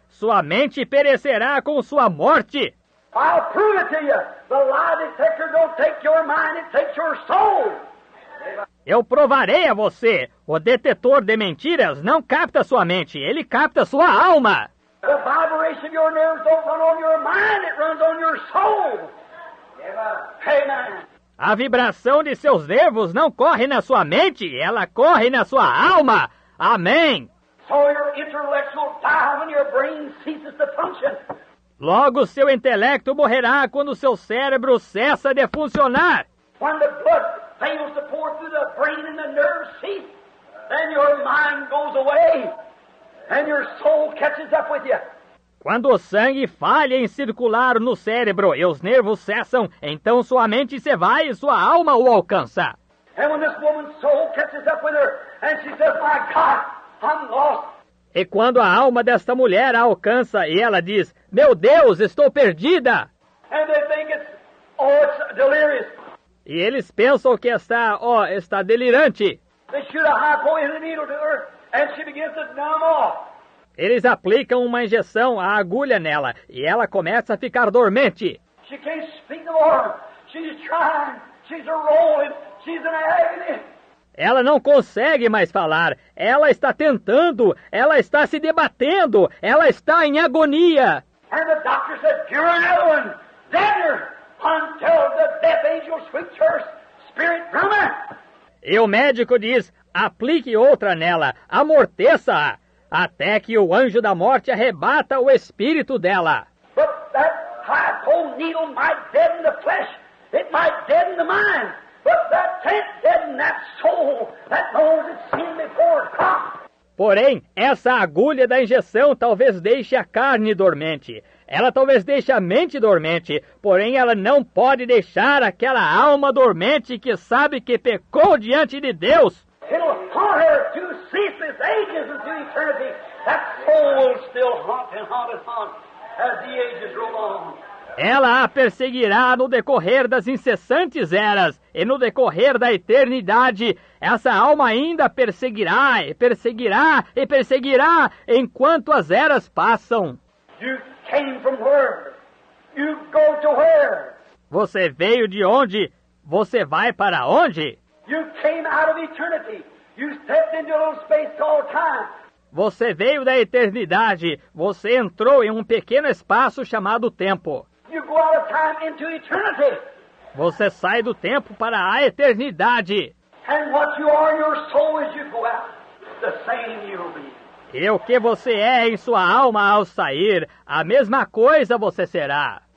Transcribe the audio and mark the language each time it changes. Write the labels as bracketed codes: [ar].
[pt] Sua mente perecerá com sua morte. [en] I'll prove it to you. The lie detector don't take your mind, it takes your soul. [pt] Eu provarei a você. O detector de mentiras não capta sua mente, ele capta sua alma. [en] The vibration of your nerves don't run on your mind, it runs on your soul. Amen. [pt] A vibração de seus nervos não corre na sua mente, ela corre na sua alma. Amém. [en] So your intellectual dies when your brain ceases to function. [pt] Logo, seu intelecto morrerá quando seu cérebro cessa de funcionar. [en] When the blood fails to pour through the brain and the nerves cease, then your mind goes away and your soul catches up with you. [pt] Quando o sangue falha em circular no cérebro e os nervos cessam, então sua mente se vai e sua alma o alcança. [en] And when this woman's soul catches up with her and she says, my God, I'm lost. [pt] E quando a alma desta mulher a alcança e ela diz, meu Deus, estou perdida. [en] And they think it's, oh, it's delirious. [pt] E eles pensam que está, oh, está delirante. [en] They shoot a hypo in the needle to her and she begins to numb off. [pt] Eles aplicam uma injeção à agulha nela e ela começa a ficar dormente. [en] She can't speak no more. She's trying. She's a rolling. She's in agony. [pt] Ela não consegue mais falar. Ela está tentando. Ela está se debatendo. Ela está em agonia. [en] And the doctor said, cure another one. Dead her. Until the death angel sweeps her spirit from her. [pt] E o médico diz, aplique outra nela. Amorteça-a. Até que o anjo da morte arrebata o espírito dela. [en] But that hypo needle might deaden the flesh. It might deaden the mind. But that can't deaden that soul that knows it's sin before God. [pt] Porém, essa agulha da injeção talvez deixe a carne dormente. Ela talvez deixe a mente dormente. Porém, ela não pode deixar aquela alma dormente que sabe que pecou diante de Deus. [en] It'll haunt her to ceaseless ages into eternity. That soul will still haunt and haunt and haunt as the ages roll on. [pt] Ela a perseguirá no decorrer das incessantes eras e no decorrer da eternidade. Essa alma ainda perseguirá e perseguirá e perseguirá enquanto as eras passam. [en] You came from her. You go to her. [pt] Você veio de onde? Você vai para onde? [en] You came out of eternity. You stepped into a little space called time. [pt] Você veio da eternidade. Você entrou em um pequeno espaço chamado tempo. [en] You go out of time into eternity. [pt] Você sai do tempo para a eternidade. [en] And what you are in your soul as you go out, the same you will be. [pt] E o que você é em sua alma ao sair, a mesma coisa você será.